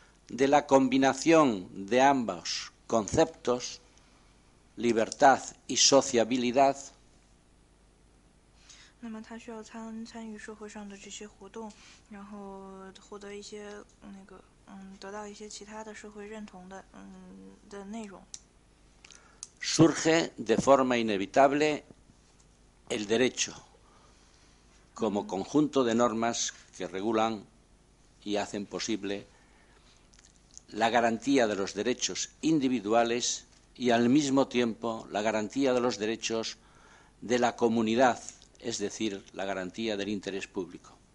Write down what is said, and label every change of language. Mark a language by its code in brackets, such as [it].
[es] De la combinación de ambos conceptos, libertad y sociabilidad, [zh] 那么他需要参与社会上的这些活动，然后获得一些得到一些其他的社会认同的内容。 [es] Surge de forma inevitable el derecho como conjunto de normas que regulan y hacen posible la garantía de los derechos individuales y al mismo tiempo la garantía de los derechos de la comunidad, es decir, la garantía del interés público.